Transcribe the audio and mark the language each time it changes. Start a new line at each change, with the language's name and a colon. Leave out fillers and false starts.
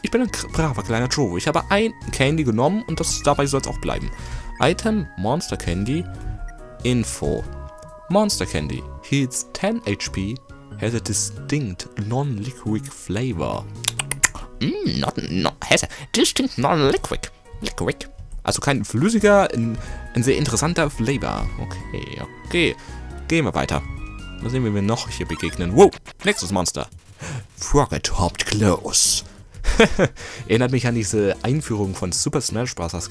German: Ich bin ein braver kleiner Joe. Ich habe ein Candy genommen und das dabei soll es auch bleiben. Item Monster Candy Info.
English: Monster Candy heals 10 HP, has a distinct non-liquid flavor. Has a distinct non-liquid. Liquid.
German: Also kein flüssiger, ein sehr interessanter Flavor. Okay, okay. Gehen wir weiter. Mal sehen, wie wir noch hier begegnen. Wow, nächstes Monster.
English: Frogger topped close.
German: Erinnert mich an diese Einführung von Super Smash Bros.